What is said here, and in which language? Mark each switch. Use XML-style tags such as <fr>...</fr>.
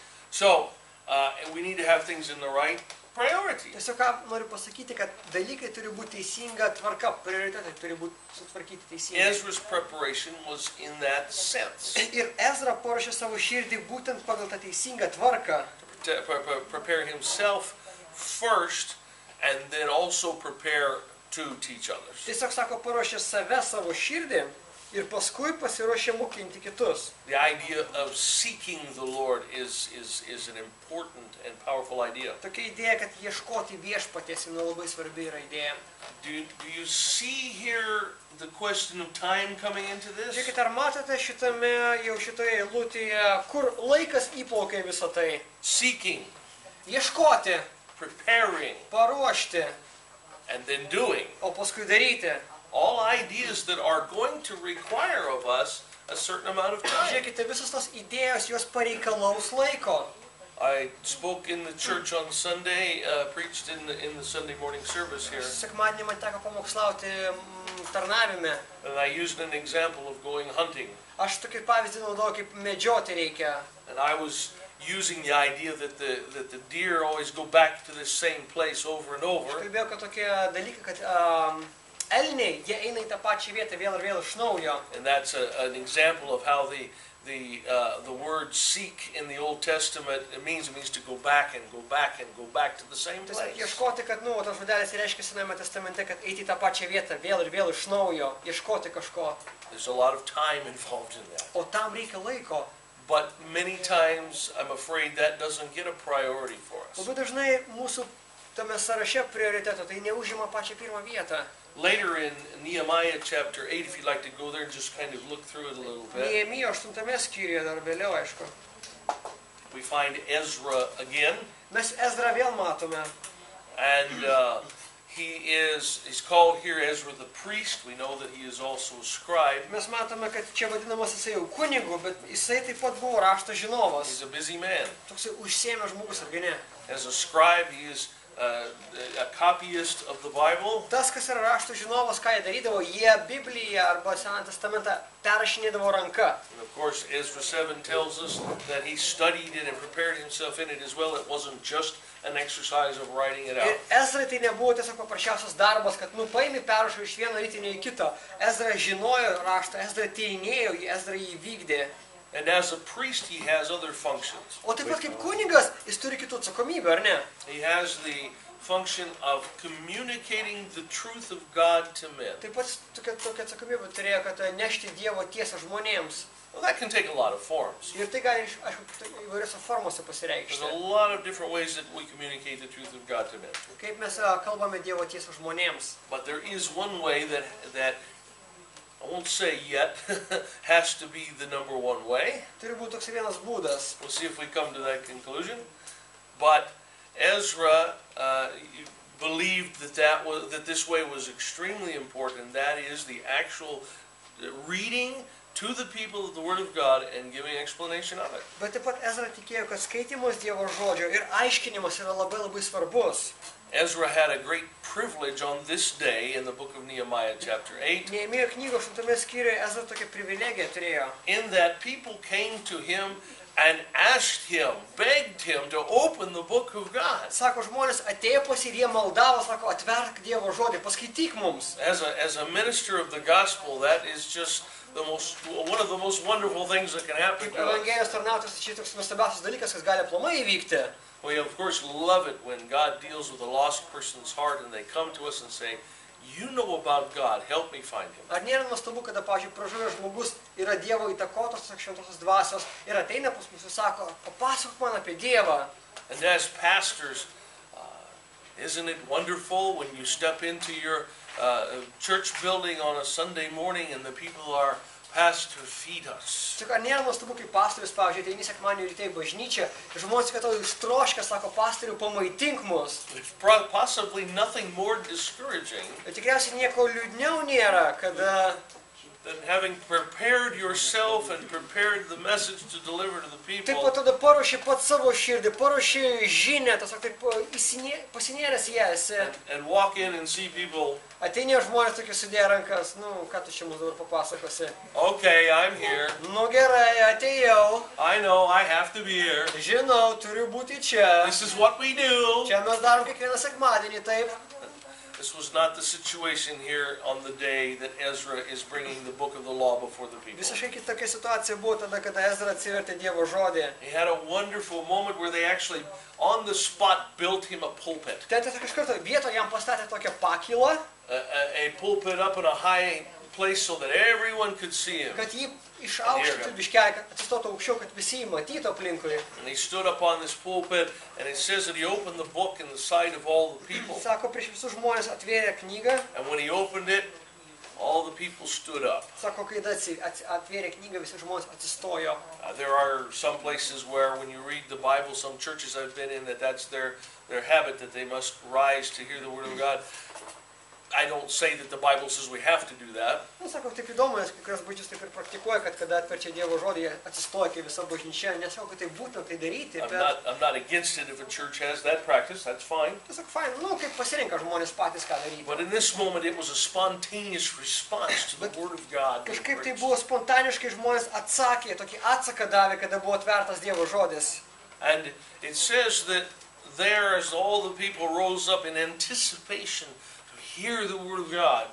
<en>So, and we need to have things in the right priority.</en> <lt>Tiesiog ką noriu pasakyti, kad dalykai turi būti teisinga tvarka, prioritetai turi būti sutvarkyti teisingai.</lt> <en>Ezra's preparation was in that sense.</en> <lt>Ir Ezra paruošė savo širdį būtent pagal tą teisingą tvarką.</lt> <en>Prepare himself first and then also prepare to teach others.</en> <lt>Tiesiog sako, paruošė save savo širdį ir paskui pasiruošė mokinti kitus.</lt> <en>The idea of seeking the Lord is an important and powerful idea.</en> <lt>Tokia idėja, kad ieškoti viešpaties, yra labai svarbi yra idėja.</lt> <en>Do you see here the question of time coming into this?</en> <lt>Žiūrėkite, ar matote šitame, jau šitoje eilutėje, kur laikas įplaukė visą tai?</lt> <en>Seeking.</en> <lt>Ieškoti.</lt> <en>Preparing.</en> <lt>Paruošti.</lt> <en>And then doing.</en> <lt>O paskui daryti.</lt> <en>All ideas that are going to require of us a certain amount of time.</en> <lt>Žiūrėkite, visos tos idėjos, jos pareikalaus laiko.</lt> <en>I spoke in the church on Sunday, preached in the Sunday morning service here.</en> <lt>Sekmadienį man teko pamokslauti tarnavime.</lt> <en>And I used an example of going hunting.</en> <lt>Aš tokį pavyzdį naudojau, kaip medžioti reikia.</lt> <en>And I was using the idea that the deer always go back to the same place over and over.</en> <lt>Kalbėjau apie tokį dalyką, kad elniai, jie eina į tą pačią vietą vėl ir vėl iš naujo.</lt> <en>And that's an example of how the word seek in the Old Testament it means to go back and go back and go back to the same place.</en> <lt>Tiesiog ieškoti, kad tas vadelis reiškia Senajame Testamente, kad eiti į tą pačią vietą vėl ir vėl iš naujo, ieškoti kažko.</lt> <en>There's a lot of time involved in that.</en> <lt>O tam reikia laiko.</lt> <en>But many times I'm afraid that doesn't get a priority for us.</en> <lt>Labai dažnai mūsų tame sąraše prioritetų tai neužima pačią pirmą vietą.</lt> <en>Later in Nehemiah chapter 8, if you'd like to go there and just kind of look through it a little bit.</en> <lt>Nehemijo 8 skyriuje dar vėliau, aišku.</lt> <en>We find Ezra again.</en> <lt>Mes Ezra vėl matome.</lt> <en>And he's called here Ezra the priest. We know that he is also a scribe.</en> <lt>Mes matome, kad čia vadinamas jisai jau kunigu, bet jisai taip pat buvo rašto žinovas.</lt> <en>He's a busy man.</en> <lt>Toksai užsiėmęs žmogus, argi ne?</lt> <en>As a scribe, he is a copyist of the Bible.</en> <lt>Tas, kas yra rašto žinovas, ką jie darydavo, jie Bibliją arba Seną Testamentą perrašinėdavo ranka.</lt> <en>And of course, Ezra 7 tells us that he studied it and prepared himself in it as well. It wasn't just an exercise of writing it out.</en> <lt>Ir Ezra tai nebuvo tiesiog paprasčiausias darbas, kad paimi perrašo iš vieno ritinio į kito. Ezra žinojo raštą, Ezra tyrinėjo, Ezra jį vykdė.</lt> <en>And as a priest he has other functions.</en> <lt>O taip pat kaip kunigas, jis turi kitų atsakomybių, ar ne?</lt> <en>He has the function of communicating the truth of God to men.</en> <lt>Taip pat tokia atsakomybė turėjo, kad nešti Dievo tiesą žmonėms.</lt> <en>Well, that can take a lot of forms.</en> <lt>Ir tai gali, aišku, įvairiose formose pasireikšti.</lt> <en>There's a lot of different ways that we communicate the truth of God to men.</en> <lt>Kaip mes kalbame Dievo tiesą žmonėms.</lt> <en>But there is one way that I won't say yet, has to be the number one way.</en> <lt>Turi būti toks vienas būdas.</lt> <en>We'll see if we come to that conclusion. But Ezra believed that this way was extremely important. That is the actual reading to the people of the Word of God and giving explanation of it.</en> <lt>Bet taip pat Ezra tikėjo, kad skaitymas Dievo žodžio ir aiškinimas yra labai labai svarbus.</lt> <en>Ezra had a great privilege on this day in the book of Nehemiah chapter 8.</en> <lt>Nehemijo knygos 8 skyriuje Ezra tokią privilegiją turėjo.</lt> <en>In that people came to him and asked him, begged him to open the book of God.</en> <lt>Sako, žmonės atėjo pas jį ir jie maldavo, sako, atverk Dievo žodį, paskaityk mums.</lt> <en>As a minister of the gospel, that is just one of the most wonderful things that can happen to us.</en> <lt>Evangelijos tarnautojas, čia toks nuostabiausias dalykas, kas gali aplamai įvykti.</lt> <en>We of course love it when God deals with a lost person's heart and they come to us and say, you know about God, help me find him.</en> <lt>Ar nėra nuostabu, kada, pavyzdžiui, pražuvęs žmogus yra Dievo įtakotas, šventosios dvasios, ir ateina pas mus ir sako, papasakok man apie Dievą.</lt> <en>And as pastors, isn't it wonderful when you step into your church building on a Sunday morning and the people are pastor feed us.</en> <lt>Tik ar nėra nuostabu, kaip pastorius, pavyzdžiui, ateini sekmadienį ryte į bažnyčią, ir žmonės, kad tau ištroškia, sako, pastoriu, pamaitink mus.</lt> <en>It's possibly nothing more discouraging.</en> <lt>Tikriausiai nieko liūdniau nėra, kada...</lt> <en>Than having prepared yourself and prepared the message to deliver to the people.</en> <lt>Taip pat tada paruoši pat savo širdį, paruoši žinę, tiesiog taip pasinėręs ją esi.</lt> <en>And walk in and see people.</en> <lt>Ateinė žmonės tokie sudėję rankas, ką tu čia mums dabar papasakosi.</lt> <en>Okay, I'm here.</en> <lt>Gerai, atėjau.</lt> <en>I know, I have to be here.</en> <lt>Žinau, turiu būti čia.</lt> <en>This is what we do.</en> <lt>Čia mes darom kiekvieną sekmadienį, taip.</lt> <en>This was not the situation here on the day that Ezra is bringing the book of the law before the people.</en> <lt>Visiškai kitokia situacija buvo tada, kada Ezra atsivertė Dievo žodį.</lt> <en>He had a wonderful moment where they actually on the spot built him a pulpit.</en> <lt>Ten tiesiog iškarto vietoje jam pastatė tokią pakylą.</lt> <en>A pulpit up in a high place so that everyone could see him.</en> <lt>Kad jį išaukštintų biškelį, kad atsistotų aukščiau, kad visi jį matytų aplinkui.</lt> <en>And he stood up on this pulpit and it says that he opened the book in the sight of all the people.</en> <lt>Sako, prieš visus žmonės atvėrė knygą.</lt> <en>And when he opened it, all the people stood up.</en> <lt>Sako, kai atvėrė knygą, visi žmonės atsistojo.</lt> <en>There are some places where when you read the Bible, some churches I've been in, that's their habit, that they must rise to hear the word of God. I don't say that the Bible says we have to do that.</en> <lt>Nu, sako, taip įdomu, nes kai kurios bažnyčios taip ir praktikuoja, kad kada atverčia Dievo žodį, jie atsistoja kaip visa bažnyčia. Nesako, kad tai būtina tai daryti.</lt> <en>I'm not against it if a church has that practice, that's fine.</en> <lt>Nu, sako, fine. Nu, kaip pasirinka žmonės patys ką daryti.</lt> <en>But in this moment it was a spontaneous response to the word of God.</en> <lt>Kažkaip tai buvo spontaniškai žmonės atsakė, tokį atsaką davė, kada buvo atvertas Dievo žodis.</lt> <en>And it says that there as all the people rose up in anticipation hear the word of God.</en>